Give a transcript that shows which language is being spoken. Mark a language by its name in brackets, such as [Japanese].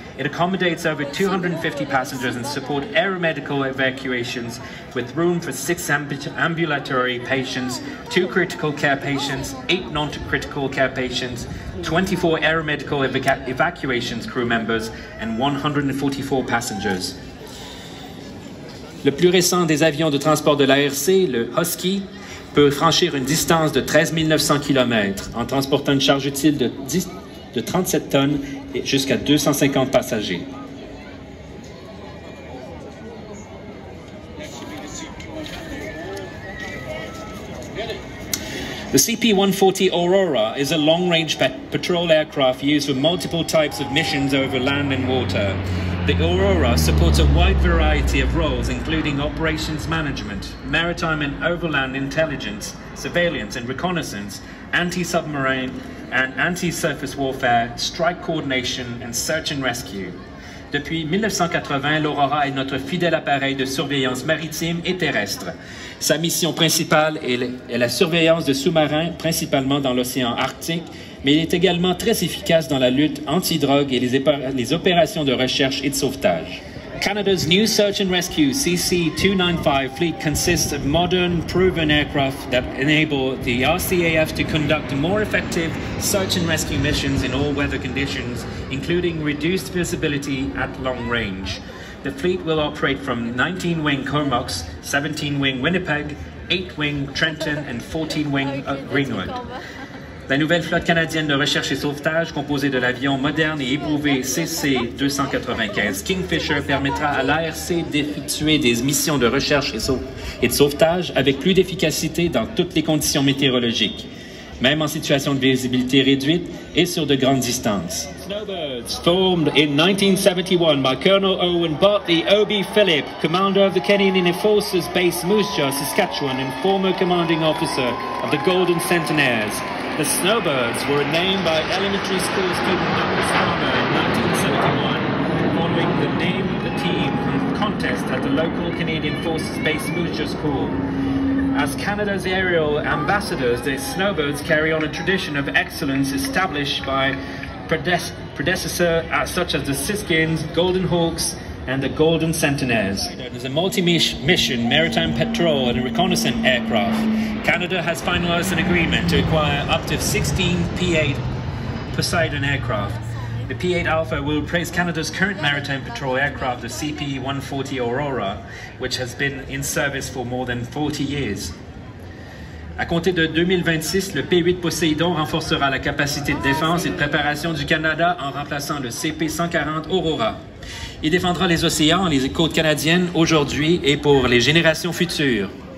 [English] It accommodates over 250 passengers and supports aeromedical evacuations with room for 6 ambulatory patients, 2 critical care patients, 8 non-critical care patients, 24 aeromedical evacuations crew members, and 144 passengers. [French] Le plus récent des avions de transport de l'ARC, le Husky, peut franchir une distance de 13 900 km en transportant une charge utile de 37 tonnes et jusqu'à 250 passagers. [English] The CP-140 Aurora is a long-range patrol aircraft used for multiple types of missions over land and water. The Aurora supports a wide variety of roles, including operations management, maritime and overland intelligence, surveillance and reconnaissance, anti-submarine and anti-surface warfare, strike coordination and search and rescue. [French] Depuis 1980, l'Aurora est notre fidèle appareil de surveillance maritime et terrestre. Sa mission principale est la surveillance de sous-marins, principalement dans l'océan Arctique, mais il est également très efficace dans la lutte anti-drogue et les opérations de recherche et de sauvetage. [English] Canada's new search and rescue CC-295 fleet consists of modern, proven aircraft that enable the RCAF to conduct more effective search and rescue missions in all weather conditions, including reduced visibility at long range. The fleet will operate from 19-wing Comox, 17-wing Winnipeg, 8-wing Trenton, and 14-wing Greenwood. [French] La nouvelle flotte canadienne de recherche et sauvetage, composée de l'avion moderne et éprouvé CC-295 Kingfisher, permettra à l'ARC d'effectuer des missions de recherche et de sauvetage avec plus d'efficacité dans toutes les conditions météorologiques, même en situation de visibilité réduite et sur de grandes distances. [English] Snowbirds, formed in 1971 by Colonel Owen Bartley O.B. Phillip, commander of the Canadian Air Forces base Moose Jaw, Saskatchewan, and former commanding officer of the Golden Centenaires. The Snowbirds were named by elementary school student Douglas Harmer in 1971, following the name of the team contest at the local Canadian Forces Base Moose Jaw School. As Canada's aerial ambassadors, the Snowbirds carry on a tradition of excellence established by predecessors such as the Siskins, Golden Hawks, and the Golden Centenaires. There's a multi-mission maritime patrol and a reconnaissance aircraft. Canada has finalized an agreement to acquire up to 16 P-8 Poseidon aircraft. The P-8 Alpha will replace Canada's current maritime patrol aircraft, the CP-140 Aurora, which has been in service for more than 40 years. [French] À compter de 2026, le P-8 Poseidon renforcera la capacité de défense et de préparation du Canada en remplaçant le CP-140 Aurora. Il défendra les océans, les côtes canadiennes, aujourd'hui et pour les générations futures.